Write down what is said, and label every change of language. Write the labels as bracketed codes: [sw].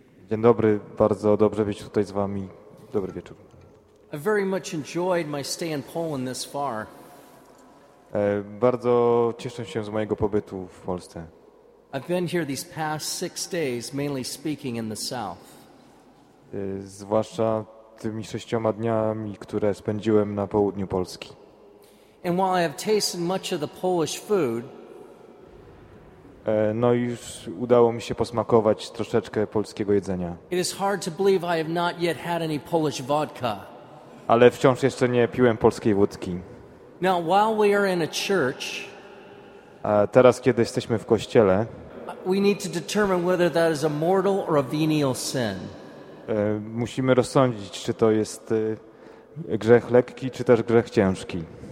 [pl] Dzień dobry, bardzo dobrze być tutaj z wami. Dobry wieczór. [en] I very much enjoyed my stay in Poland this far. [pl] Bardzo cieszę się z mojego pobytu w Polsce. [en] I've been here these past 6 days, mainly speaking in the south. [pl] Zwłaszcza tymi 6 dniami, które spędziłem na południu Polski. [en] And while I have tasted much of the Polish food, [pl] no już udało mi się posmakować troszeczkę polskiego jedzenia. [en] It is hard to believe I have not yet had any Polish vodka. [pl] Ale wciąż jeszcze nie piłem polskiej wódki. [en] Now while we are in a church, [pl] a teraz kiedy jesteśmy w kościele, [en] we need to determine whether that is a mortal or a venial sin. [pl] Musimy rozsądzić, czy to jest grzech lekki, czy też grzech ciężki.